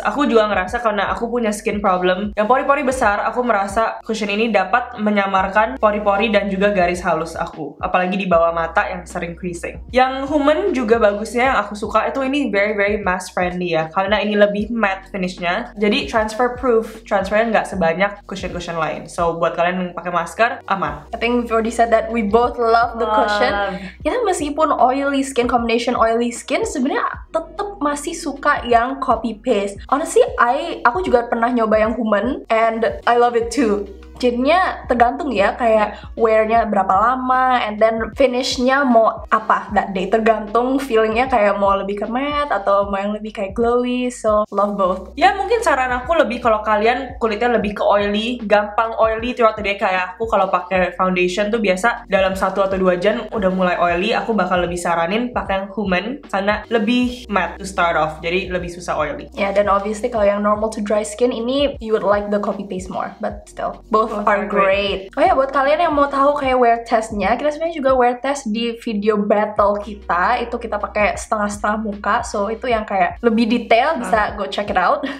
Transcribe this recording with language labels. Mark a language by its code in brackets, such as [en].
[id] Aku juga ngerasa karena aku punya skin problem yang pori-pori besar, aku merasa cushion ini dapat menyamarkan pori-pori dan juga garis halus aku, apalagi di bawah mata yang sering creasing. Yang human juga bagusnya, yang aku suka itu ini [en] very very matte friendly [id] ya, karena ini lebih matte finishnya, jadi [en] transfer proof, [id] transfernya nggak sebanyak cushion-cushion lain. So buat kalian yang pakai masker, aman. [en] I think we've already said that we both love the cushion. [id] Ya yeah, meskipun oily skin, combination oily skin, sebenarnya tetap masih suka yang copy paste. Honestly, aku juga pernah nyoba yang human [en] and I love it too. [id] Jadinya tergantung ya, kayak wear-nya berapa lama, [en] and then [id] finish-nya mau apa [en] that day. [id] Tergantung feeling-nya kayak mau lebih ke matte atau mau yang lebih kayak glowy, [en] so love both. [id] Ya mungkin saran aku lebih kalau kalian kulitnya lebih ke oily, gampang oily [en] throughout the day. [id] Kayak aku kalau pakai foundation tuh biasa dalam 1 atau 2 jam udah mulai oily, aku bakal lebih saranin pakai yang human karena lebih matte [en] to start off, [id] jadi lebih susah oily. [en] Ya, yeah, dan obviously [id] kalau yang [en] normal to dry skin ini, you would like the copy paste more, but still. Both are great. [id] Oh ya, buat kalian yang mau tahu kayak wear testnya, kita sebenarnya juga wear test di video battle kita. Itu kita pakai setengah-setengah muka, so itu yang kayak lebih detail bisa [en] go check it out.